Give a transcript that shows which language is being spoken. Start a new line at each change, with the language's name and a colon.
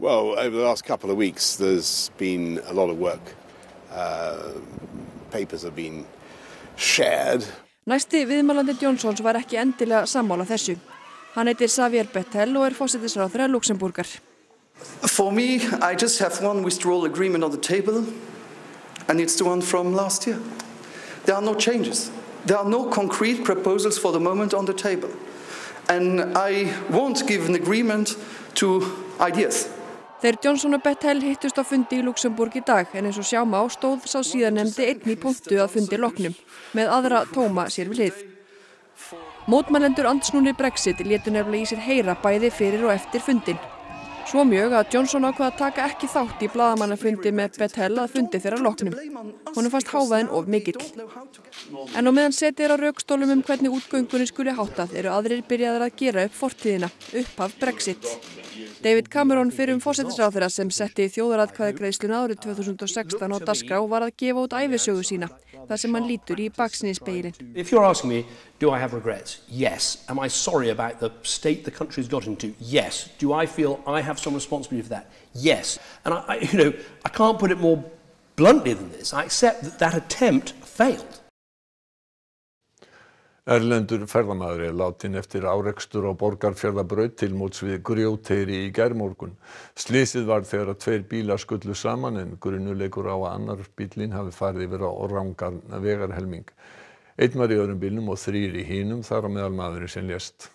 English: Well, over the last couple of weeks, there's been a lot of work. Papers have been shared.
Icelandic: Næsti viðmælandi Johnsons var ekki endilega sammála þessu. Hann heitir Xavier Bettel og forsætisráðherra Luxemburgar.
English: For me, I just have one withdrawal agreement on the table, and it's the one from last year. There are no changes. There are no concrete proposals for the moment on the table. And I won't give an agreement to ideas.
Icelandic: Þeir Johnson og Bettel hittust á fundi í Luxemborg í dag, en eins og sjá má stóð sá síðan nefndi einn í punktu að fundi loknum, með aðra tóma sér við hlið. Mótmælendur andsnúnir Brexit létu nefnilega í sér heyra bæði fyrir og eftir fundin. Svo mjög að Johnson ákvað að taka ekki þátt í blaðamannafundi með Bettel að fundi þeirra loknum. Honum fannst hávaðin of mikill. En á meðan setir á rökstólum hvernig útgöngunin skuli háttað eru aðrir byrjaðar að gera upp fortíðina, upphaf Brexit. David Cameron fyrir forsætisráðherra sem setti þjóðaratkvæðagreiðsluna árið 2016 á dagskrá var að gefa út ævisögu sína, þar sem hann lítur í baksýnisspegilinn.
English: If you're asking me, do I have regrets? Yes. Am I sorry about the state the country's got into? Yes. Do I feel I have some responsibility for that? Yes. And I can't put it more bluntly than this. I accept that that attempt failed.
Icelandic: Erlendur ferðamaður er látinn eftir árekstur á Borgarfjarðarbraut til móts við Grjóteyri í gærmorgun. Slysið var þegar að tveir bílar skullu saman en grunur leikur á að annar bíllinn hafi farið yfir á rangan vegarhelming. Einn var í öðrum bílnum og þrír í hinum þar á meðal maðurinn sem lést.